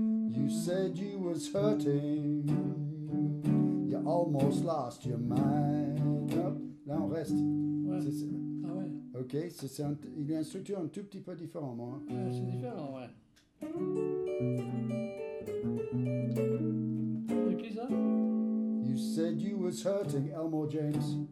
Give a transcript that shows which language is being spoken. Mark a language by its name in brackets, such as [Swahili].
[English] You said you was hurting, you almost lost your mind. [French] Oh, là on reste. Ouais. Ok, il y a une structure un tout petit peu différente, moi. Ouais, c'est différent, ouais. C'est qui ça? [English] You said you was hurting Elmore James.